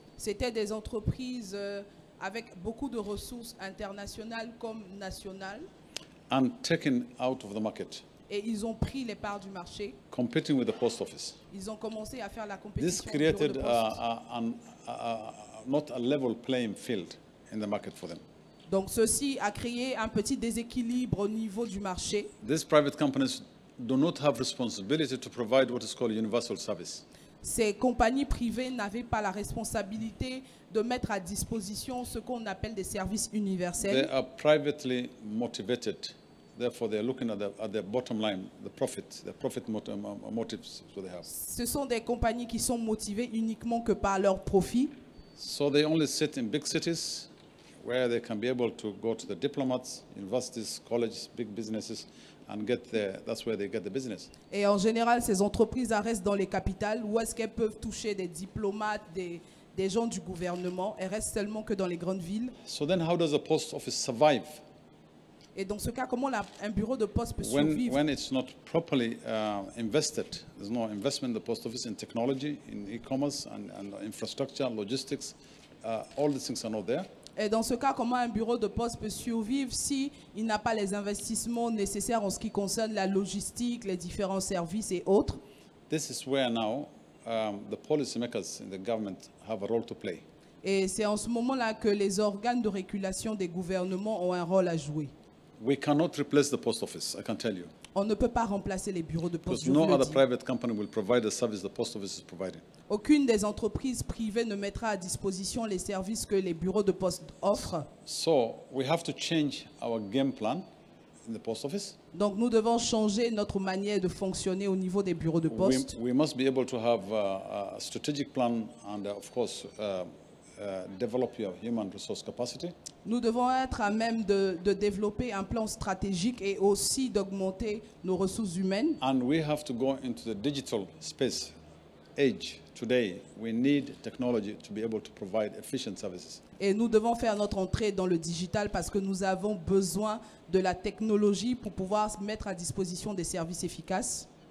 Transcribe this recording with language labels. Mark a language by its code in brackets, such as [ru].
[fr] C'était des entreprises avec beaucoup de ressources internationales comme nationales. [en] And taken out of the market. [fr] Et ils ont pris les parts du marché. [en] Competing with the post office. [fr] Ils ont commencé à faire la compétition. [en] This created not a level playing field in the market for them. [fr] Donc ceci a créé un petit déséquilibre au niveau du marché. [en] These private companies do not have responsibility to provide what is called universal service. [fr] Ces compagnies privées n'avaient pas la responsabilité de mettre à disposition ce qu'on appelle des services universels. [en] They are privately motivated, therefore they are looking at their bottom line, the profit motives that they have. [fr] Ce sont des compagnies qui sont motivées uniquement que par leur profit. [en] So they only sit in big cities where they can be able to go to the diplomats, universities, colleges, big businesses. And get there, that's where they get the business. [fr] Et en général, ces entreprises restent dans les capitales. Où est-ce qu'elles peuvent toucher des diplomates, des gens du gouvernement? Elles restent seulement que dans les grandes villes. [en] So then how does a post office survive? [fr] Et dans ce cas, comment un bureau de poste peut survivre? [en] When it's not properly invested, there's no investment in the post office in technology, in e-commerce, and infrastructure, logistics, all these things are not there. [fr] Et dans ce cas, comment un bureau de poste peut survivre si il n'a pas les investissements nécessaires en ce qui concerne la logistique, les différents services et autres? [en] This is where now the policymakers in the government have a role to play. [fr] Et c'est en ce moment-là que les organes de régulation des gouvernements ont un rôle à jouer. [en] We cannot replace the post office, I can tell you. [fr] On ne peut pas remplacer les bureaux de poste. [en] Because no other private company will provide the service the post office is providing. [fr] Aucune des entreprises privées ne mettra à disposition les services que les bureaux de poste offrent. [en] So we have to change our game plan in the post office. [fr] Donc nous devons changer notre manière de fonctionner au niveau des bureaux de poste. [en] We must be able to have a strategic plan and of course develop your human resource capacity. [fr] Nous devons être à même de développer un plan stratégique et aussi d'augmenter nos ressources humaines. [en] And we have to go into the digital space age today. We need technology to be able to provide efficient services. [fr] Et nous devons faire notre entrée dans le digital parce que nous avons besoin de la technologie pour pouvoir mettre à disposition des services efficaces.